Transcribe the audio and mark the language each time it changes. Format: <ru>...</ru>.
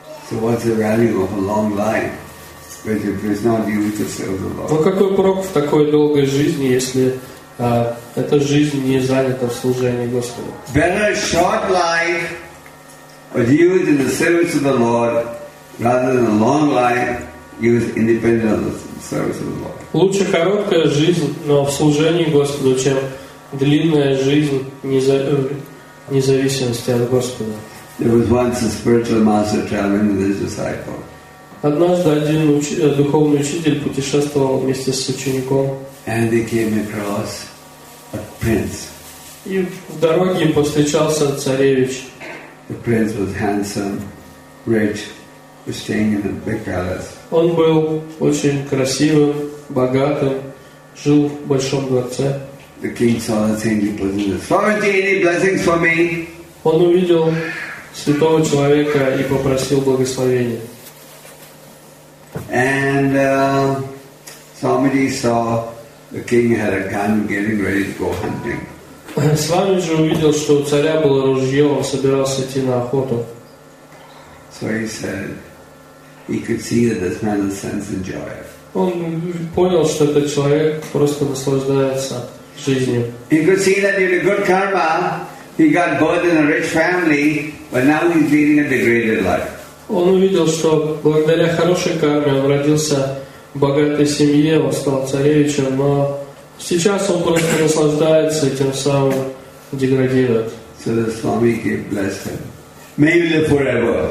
<en>So what's the value of a long life if it's not used to serve the Lord?</en> <ru>Но какой прок в такой долгой жизни, если эта жизнь не занята в служении Господу?</ru> <en>Better short life but used in the service of the Lord rather than a long life used independent of the service of the Lord.</en> <ru>Лучше короткая жизнь, но в служении Господу, чем длинная жизнь независимости от Господа.</ru> <en>There was once a spiritual master traveling with his disciple.</en> <ru>Однажды один духовный учитель путешествовал вместе с учеником.</ru> <en>And they came across a prince.</en> <ru>И в дороге им повстречался царевич.</ru> <en>The prince was handsome, rich, was staying in a big palace.</en> <ru>Он был очень красивым, богатым, жил в большом дворце.</ru> <en>The king saw the saintly person. Florentine, any blessings for me?</en> <ru>Он увидел святого человека и попросил благословения.</ru> <en>And Swamiji saw the king had a gun getting ready to go hunting.</en> <ru>Свами же увидел, что у царя было ружье, он собирался идти на охоту.</ru> <en>So he said, he could see that this man is sensing joy.</en> <ru>Он понял, что этот человек просто наслаждается жизнью.</ru> <en>He could see that he had a good karma. He got born in a rich family, but now he's leading a degraded life.</en> <ru>Он увидел, что благодаря хорошей карме он родился в богатой семье, он стал царевичем, но сейчас он просто наслаждается и тем самым деградирует.</ru> <en>So the Swami blessed him. May you live forever.</en>